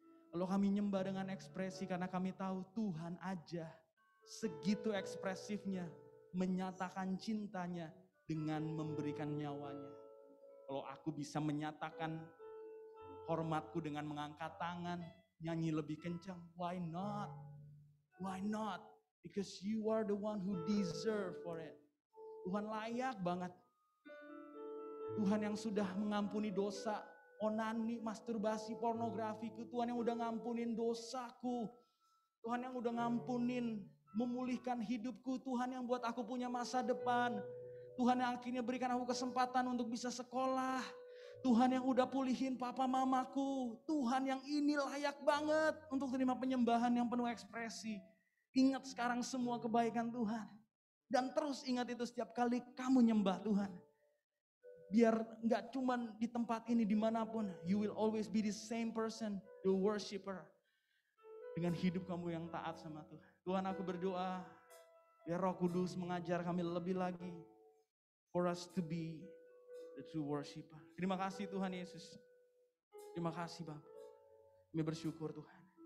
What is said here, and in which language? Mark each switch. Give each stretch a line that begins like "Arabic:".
Indonesian: Kalau kami nyembah dengan ekspresi karena kami tahu Tuhan aja segitu ekspresifnya menyatakan cintanya dengan memberikan nyawanya. Kalau aku bisa menyatakan hormatku dengan mengangkat tangan, nyanyi lebih kencang,
English: why not? Why not? Because you are the one who deserve for it.
Indonesian: Tuhan layak banget. Tuhan yang sudah mengampuni dosa, onani, masturbasi, pornografiku, Tuhan yang udah ngampunin dosaku, Tuhan yang udah ngampunin, memulihkan hidupku, Tuhan yang buat aku punya masa depan, Tuhan yang akhirnya berikan aku kesempatan untuk bisa sekolah. Tuhan yang udah pulihin papa mamaku. Tuhan yang ini layak banget untuk terima penyembahan yang penuh ekspresi. Ingat sekarang semua kebaikan Tuhan. Dan terus ingat itu setiap kali kamu nyembah Tuhan. Biar gak cuman di tempat ini dimanapun.
English: You will always be the same person, the worshiper.
Indonesian: Dengan hidup kamu yang taat sama Tuhan. Tuhan aku berdoa biar Roh Kudus mengajar kami lebih lagi.
English: For us to be the true worshiper.
Indonesian: Terima kasih Tuhan Yesus. Terima kasih Bapak. Kami bersyukur Tuhan.